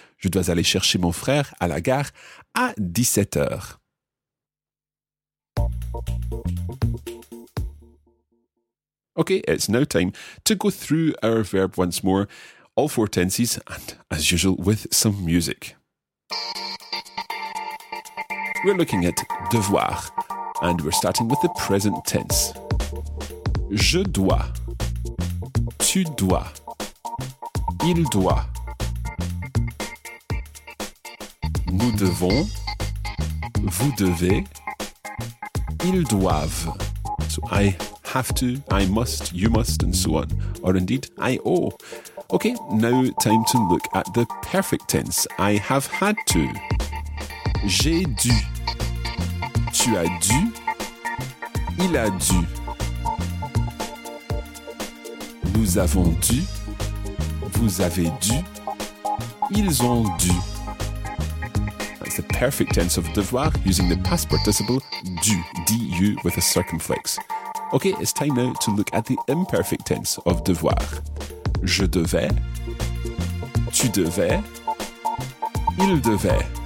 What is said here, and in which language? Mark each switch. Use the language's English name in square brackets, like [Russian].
[French] Je dois aller chercher mon frère à la gare à 17 heures. [English] Okay, it's now time to go through our verb once more, all four tenses, and as usual, with some music. We're looking at devoir, and we're starting with the present tense. [French] Je dois, tu dois, il doit, nous devons, vous devez, ils doivent. [English] So I have to, I must, you must, and so on. Or indeed, I owe. Okay, now time to look at the perfect tense. I have had to. [French] J'ai dû. Tu as dû, il a dû, nous avons dû, vous avez dû, ils ont dû. [English] That's the perfect tense of devoir using the past participle dû, D-U with a circumflex. Okay, it's time now to look at the imperfect tense of devoir. [French] Je devais, tu devais, il devait.